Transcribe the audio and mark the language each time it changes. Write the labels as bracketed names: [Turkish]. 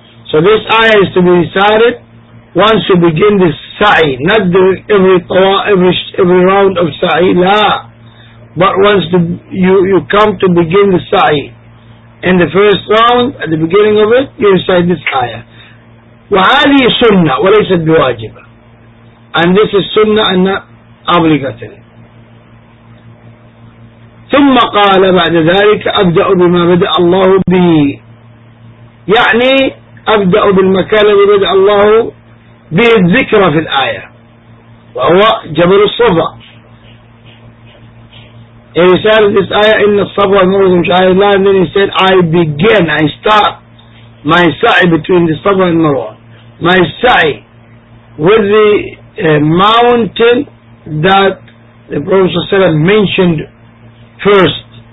[English] So this ayah is to be recited once you begin this sa'i, not during every round of sa'i, la, but once you come to begin the sa'i, in the first round, at the beginning of it, you recite this ayah. [Arabic] وَعَلِي سُنَّةٌ وَلَيْسَتْ بِوَاجِبًا. [English] And this is sunnah and not obligatory. [Arabic] ثُمَّ قَالَ بَعْدَ ذَلِكَ أَبْدَأُ بِمَا بَدَأَ اللَّهُ بِهِ, يعني أبدأُ بالمكان الذي بدأ الله بالذكرى في الآية, وهو جبل الصفا. [English] He recited this ayah, [Arabic] إن الصفا والمروة من شعائر الله. [English] And then he said, I start my sa'i between the Safa and Marwa. My sa'i with the mountain that the Prophet ﷺ mentioned first.